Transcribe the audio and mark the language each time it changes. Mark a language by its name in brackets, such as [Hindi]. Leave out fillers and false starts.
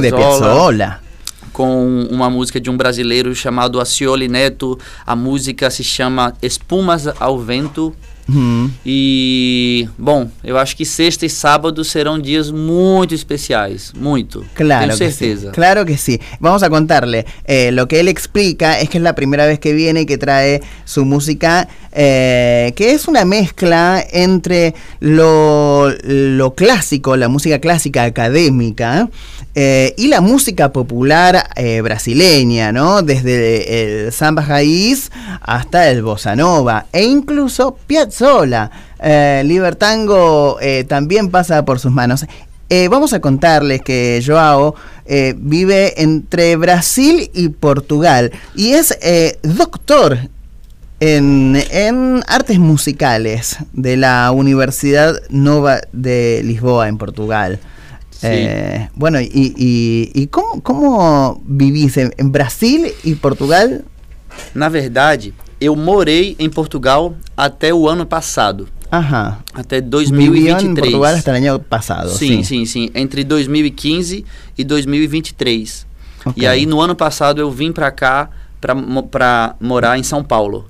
[Portuguese] De Piazzolla. Com uma música de um brasileiro chamado Ascioli Neto. A música se chama Espumas ao Vento. E, bom, eu acho que sexta e sábado serão dias muito especiais, muito. Claro. Tenho certeza. [Spanish] Sí. [Portuguese] Claro que sim. [Spanish] Sí. Vamos a contarle. Lo que él explica es que es la primera vez que viene y que trae su música, que es una mezcla entre lo clásico, la música clásica académica, y la música popular brasileña, ¿no? Desde el samba raíz hasta el bossa nova e incluso Piazzolla. Libertango también pasa por sus manos. Vamos a contarles que Joao vive entre Brasil y Portugal y es doctor en artes musicales de la Universidad Nova de Lisboa en Portugal. Sí. Bueno, ¿y cómo vivís en Brasil y Portugal? [Portuguese] Na verdade, eu morei em Portugal até o ano passado. Aham. Até 2023. Viviam em Portugal até o ano passado. Sim, sim, sim. Entre 2015 e 2023. Okay. E aí, no ano passado, eu vim para cá para morar em São Paulo.